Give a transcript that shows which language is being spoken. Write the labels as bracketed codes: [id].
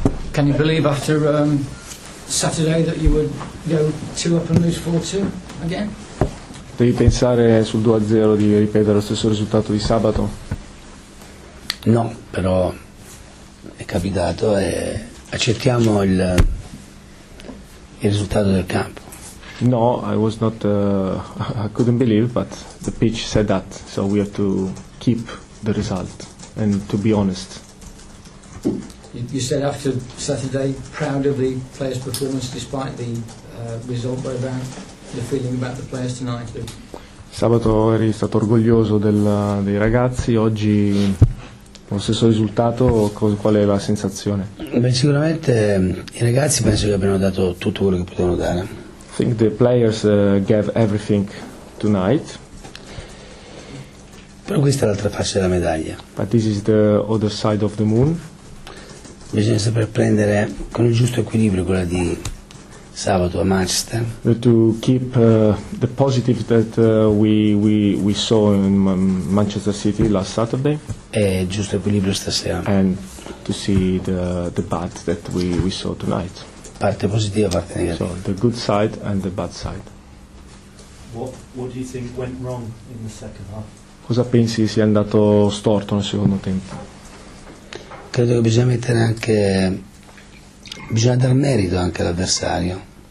[en] Can you believe after Saturday that you would go 2 up and lose 4-2 again? [it] Devi pensare sul 2-0 di ripetere lo stesso risultato di sabato? No, però è capitato e accettiamo il risultato del campo. [en] No, I was not I couldn't believe, but the pitch said that, so we have to keep the result and to be honest. You said after Saturday, proud of the players' performance despite the result, what about the feeling about the players tonight? [it] Sabato eri stato orgoglioso dei ragazzi, oggi lo stesso risultato, qual è la sensazione? Beh, sicuramente i ragazzi penso che abbiano dato tutto quello che potevano dare. [en] I think the players gave everything tonight. [it] Però questa è l'altra faccia della medaglia. [en] But this is the other side of the moon. [it] Bisogna saper prendere con il giusto equilibrio quella di sabato a Manchester. [en] To keep the positive that we saw in Manchester City last Saturday. [it] E giusto equilibrio stasera. [en] And to see the bad that we saw tonight. [it] Parte positiva, parte negativa. [en] So the good side and the bad side. What do you think went wrong in the second half? [it] Cosa pensi sia andato storto nel secondo tempo? Credo che bisogna mettere anche bisogna dar merito anche all'avversario.